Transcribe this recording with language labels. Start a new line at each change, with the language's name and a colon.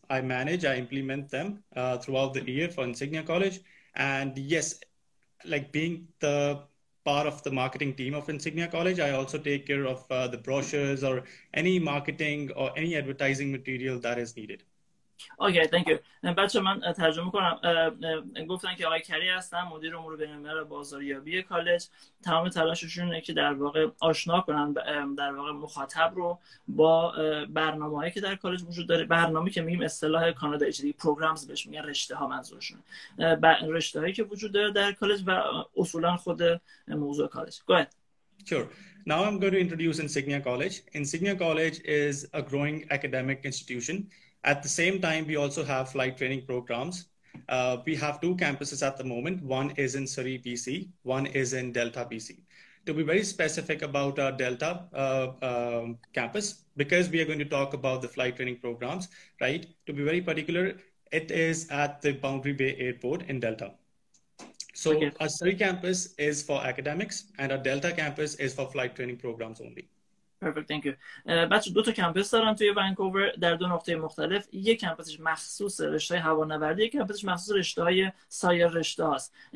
English: I manage, I implement them throughout the year for Insignia College. And yes, like being the part of the marketing team of Insignia College, I also take care of the brochures or any marketing or any advertising material that is needed. Okay, thank you.
Persian: بچه من ترجمه کنم. گفتن که آقای کری هستم، مدیر امور بین‌الملل بازاریابی کالج. تمام تلاششون اینه که در واقع آشنا کنن در واقع مخاطب رو با برنامه‌هایی که در کالج وجود داره. برنامه‌ای که میگیم اصطلاح کانادا اچ‌دی پروگرامز بهش میگن، رشته‌ها منظورشونه. رشته‌هایی که وجود داره در کالج و اصولاً خود موضوع کالج.
English: Go ahead. Sure. Now I'm going to introduce Insignia College. Insignia College is a growing academic institution. At the same time, we also have flight training programs. We have two campuses at the moment. One is in Surrey, BC. One is in Delta, BC. To be very specific about our Delta campus, because we are going to talk about the flight training programs, right? To be very particular, it is at the Boundary Bay Airport in Delta. So okay. Our Surrey campus is for academics, and our Delta campus is for flight training programs only. Perfect, thank you.
Persian: بچه دو تا کمپس دارن توی ونکوور در دو نقطه مختلف. یک کمپسش مخصوص رشته هوانوردی، یک کمپسش مخصوص رشته های سایر رشته هاست.